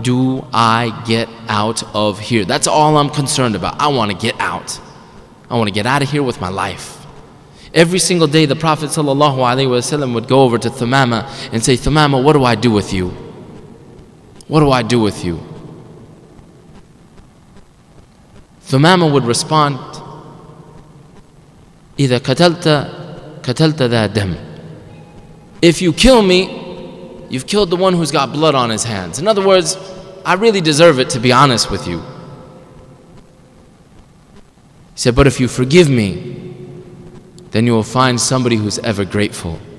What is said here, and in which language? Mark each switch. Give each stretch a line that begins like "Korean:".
English: do I get out of here? That's all I'm concerned about. I want to get out. I want to get out of here with my life. Every single day, the Prophet ﷺ would go over to Thumama and say, Thumama, what do I do with you? What do I do with you? Thumama would respond,
Arabic: إذا قتلت قتلت ذا دم.
English: If you kill me, you've killed the one who's got blood on his hands. In other words, I really deserve it, to be honest with you. He said, but if you forgive me, then you will find somebody who's ever grateful.